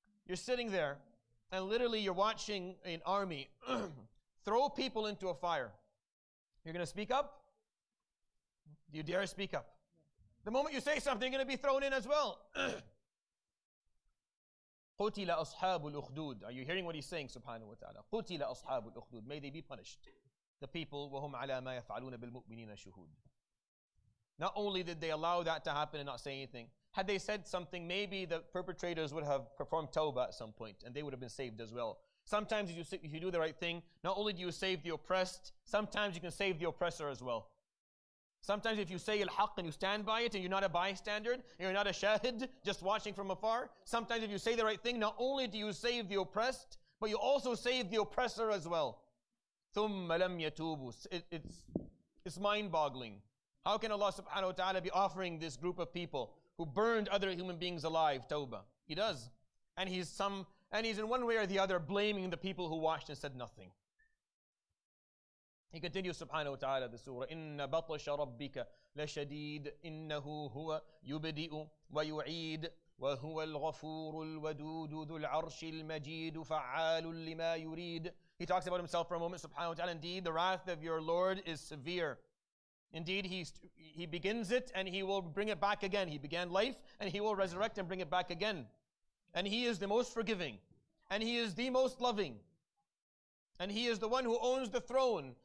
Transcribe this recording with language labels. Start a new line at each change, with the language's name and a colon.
English: You're sitting there, and literally you're watching an army throw people into a fire. You're going to speak up? Do you dare speak up? The moment you say something, you're going to be thrown in as well.
Arabic: قُتِلَ أَصْحَابُ الْأُخْدُودِ.
English: Are you hearing what he's saying, subhanahu wa ta'ala?
Arabic: قُتِلَ أَصْحَابُ الْأُخْدُودِ.
English: May they be punished. The people,
Arabic: وَهُمْ عَلَى مَا يَفْعَلُونَ بِالْمُؤْمِنِينَ شُهُودِ.
English: Not only did they allow that to happen and not say anything, had they said something, maybe the perpetrators would have performed tawbah at some point and they would have been saved as well. Sometimes if you do the right thing, not only do you save the oppressed, sometimes you can save the oppressor as well. Sometimes if you say al-haq and you stand by it and you're not a bystander, and you're not a shahid, just watching from afar, sometimes if you say the right thing, not only do you save the oppressed, but you also save the oppressor as well.
Arabic: ثُمَّ لَمْ يَتُوبُوا.
English: It's mind-boggling. How can Allah subhanahu wa ta'ala be offering this group of people who burned other human beings alive tawbah? He does. And he's in one way or the other blaming the people who watched and said nothing. He continues subhanahu wa ta'ala the surah,
Arabic: إِنَّ بَطْشَ رَبِّكَ لَشَدِيدٌ إِنَّهُ هُوَ يُبْدِئُ وَيُعِيدُ وَهُوَ الْغَفُورُ الْوَدُودُ ذُو الْعَرْشِ الْمَجِيدُ فَعَّالٌ لِمَا يُرِيدُ.
English: He talks about himself for a moment, subhanahu wa ta'ala. Indeed, the wrath of your Lord is severe. Indeed, he begins it and he will bring it back again. He began life and he will resurrect and bring it back again. And he is the most forgiving. And he is the most loving. And he is the one who owns the throne.